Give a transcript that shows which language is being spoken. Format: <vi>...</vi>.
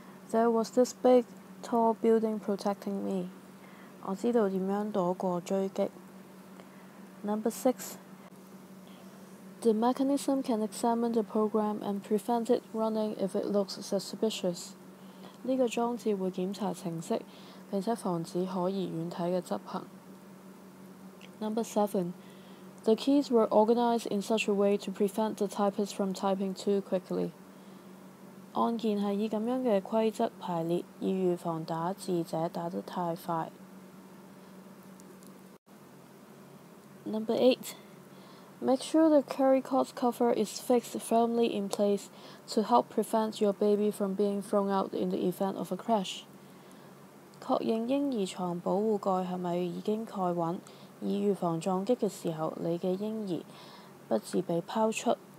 <en>There was this big, tall building protecting me.</en> <zh>我知道怎樣躲過追擊。</zh> <en>Number 6. The mechanism can examine the program and prevent it running if it looks suspicious.</en> <zh>这个装置会检查程式，并且防止可疑软体的执行。</zh> <en>Number 7. The keys were organized in such a way to prevent the typist from typing too quickly.</en> <zh>按键是以这样的规则排列，以预防打字者打得太快。</zh> <en>Number 8. Make sure the carry cot cover is fixed firmly in place to help prevent your baby from being thrown out in the event of a crash.</en> <zh>確認嬰兒床保護蓋是否已經蓋穩，以預防撞擊的時候你的嬰兒不致被拋出。</zh>